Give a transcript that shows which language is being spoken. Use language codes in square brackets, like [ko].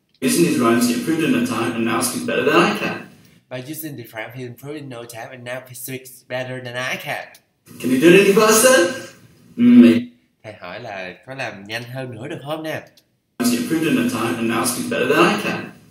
[en] Using his rhymes, he improved in no time, and now speaks better than I can. By using the rhymes, he improved in no time, and now he speaks better than I can. Can you do it any faster? [vi] Thầy hỏi là có làm nhanh hơn nữa được không nè? [en] He improved in no time, and now speaks better than I can.